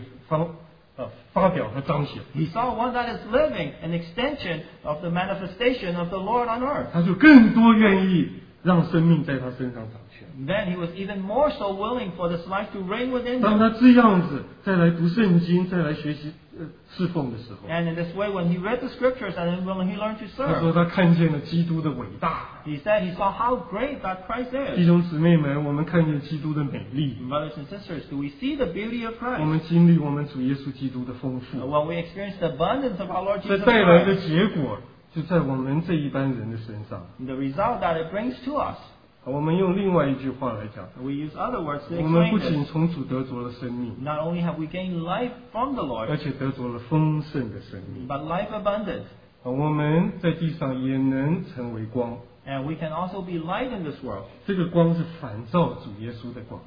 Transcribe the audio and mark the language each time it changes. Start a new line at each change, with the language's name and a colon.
Chinese: 他看见了一个活的，主在地上的身体的一个发表和彰显。
English: He saw one that is living, an extension of the manifestation of the Lord on earth.
Chinese: 他就更多愿意。让生命在他身上掌权。
English: Then he was even more so willing for this life to reign within him.
Chinese: 当他这样子再来读圣经，再来学习侍奉的时候。
English: And in this way, when he read the scriptures and when he learned to serve.
Chinese: 他说他看见了基督的伟大。
English: He said he saw how great that Christ is.
Chinese: 弟兄姊妹们，我们看见基督的美丽。
English: Brothers and sisters, do we see the beauty of Christ?
Chinese: 我们经历我们主耶稣基督的丰富。
English: When we experience the abundance of our Lord Jesus Christ.
Chinese: 这带来的结果。就在我们这一般人的身上
English: The result that it brings to us
Chinese: 我们用另外一句话来讲
English: We use other words to explain
Chinese: 我们不仅从主得着了生命
English: Not only have we gained life from the Lord
Chinese: 而且得着了丰盛的生命
English: But life abundant
Chinese: 我们在地上也能成为光
English: And we can also be light in this world
Chinese: 这个光是反照主耶稣的光